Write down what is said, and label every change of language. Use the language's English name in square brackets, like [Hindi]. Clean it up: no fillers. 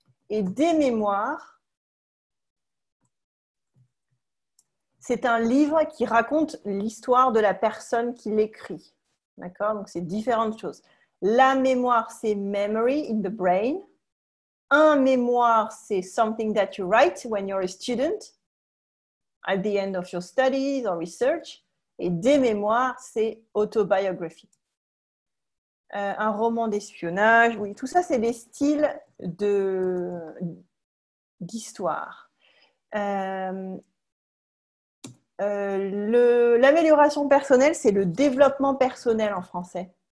[French] Et des mémoires, c'est un livre qui raconte l'histoire de la personne qui l'écrit. D'accord? Donc, c'est différentes choses. La mémoire, c'est [English] memory in the brain. [French] Un mémoire, c'est [English] something that you write when you're a student, at the end of your studies or research. [French] Et des mémoires, c'est autobiographie. Un roman d'espionnage, oui, tout ça, c'est des styles d'histoire. L'amélioration personnelle, c'est le développement personnel en français.